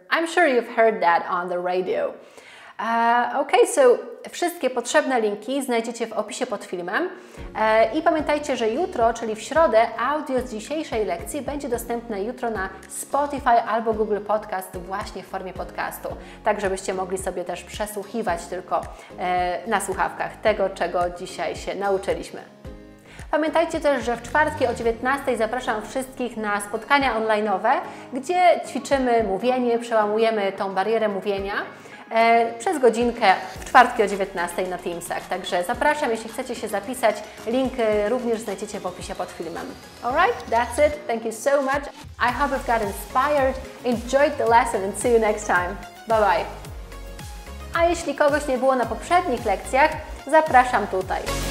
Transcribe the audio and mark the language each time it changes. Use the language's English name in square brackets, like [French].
[English] I'm sure you've heard that on the radio. [Polish] Okej, so wszystkie potrzebne linki znajdziecie w opisie pod filmem. I pamiętajcie, że jutro, czyli w środę, audio z dzisiejszej lekcji będzie dostępne jutro na Spotify albo Google Podcast właśnie w formie podcastu. Tak, żebyście mogli sobie też przesłuchiwać tylko na słuchawkach tego, czego dzisiaj się nauczyliśmy. Pamiętajcie też, że w czwartki o 19 zapraszam wszystkich na spotkania online'owe, gdzie ćwiczymy mówienie, przełamujemy tą barierę mówienia. Przez godzinkę w czwartki o 19 na Teamsach. Także zapraszam, jeśli chcecie się zapisać. Link również znajdziecie w opisie pod filmem. [English] Alright, that's it. Thank you so much. I hope you've got inspired. Enjoyed the lesson and see you next time. Bye bye. [Polish] A jeśli kogoś nie było na poprzednich lekcjach, zapraszam tutaj.